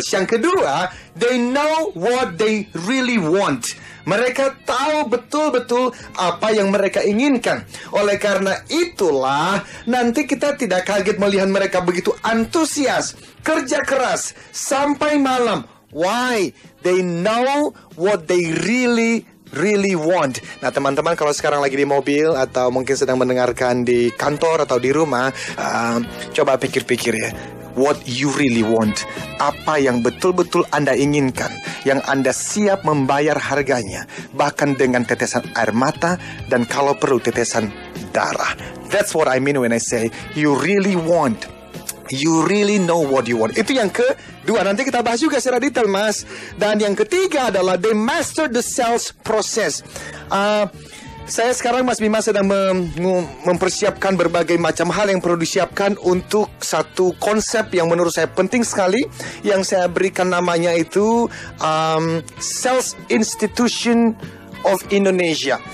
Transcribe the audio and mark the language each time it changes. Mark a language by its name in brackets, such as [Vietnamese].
[Indonesian] Yang kedua, [English] they know what they really want. [Indonesian] Mereka tahu betul-betul apa yang mereka inginkan. Oleh karena itulah, nanti kita tidak kaget melihat mereka begitu antusias, kerja keras, sampai malam, [English] Why? They know what they really, really want. [Indonesian] Nah, teman-teman, kalau sekarang lagi di mobil atau mungkin sedang mendengarkan di kantor atau di rumah, coba pikir-pikir ya. [English] What you really want. [Indonesian] Apa yang betul-betul Anda inginkan, yang Anda siap membayar harganya, bahkan dengan tetesan air mata dan kalau perlu tetesan darah. [English] That's what I mean when I say you really want. You really know what you want. [Indonesian] Itu yang kedua. Nanti kita bahas juga secara detail, Mas. Dan yang ketiga adalah [English] they master the sales process. [Indonesian] Saya sekarang, Mas Bima, sedang mempersiapkan berbagai macam hal yang perlu disiapkan untuk satu konsep yang menurut saya penting sekali, yang saya berikan namanya itu Sales Institution of Indonesia.